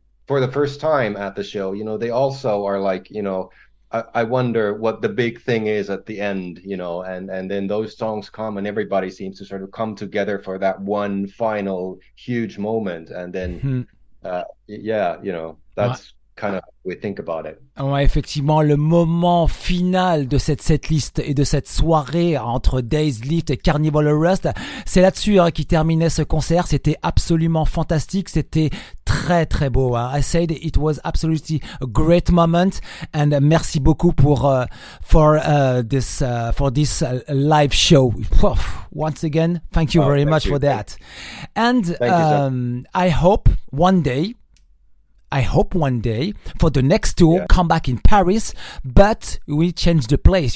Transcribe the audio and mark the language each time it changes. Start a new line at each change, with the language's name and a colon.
English: for the first time at the show, you know, they also are like, you know, I wonder what the big thing is at the end, you know, and then those songs come and everybody seems to sort of come together for that one final huge moment. And then, you know, that's kind of how we think about it.
French: Ouais, effectivement, le moment final de cette setlist et de cette soirée entre Days Lift et Carnival of Rust, c'est là-dessus, hein, qui terminait ce concert. C'était absolument fantastique. C'était très très beau.
English: I said it was absolutely a great moment, and
French: merci beaucoup pour
English: for this live show. Once again, thank you very much for that. And I hope one day, for the next tour, come back in Paris, but we change the place.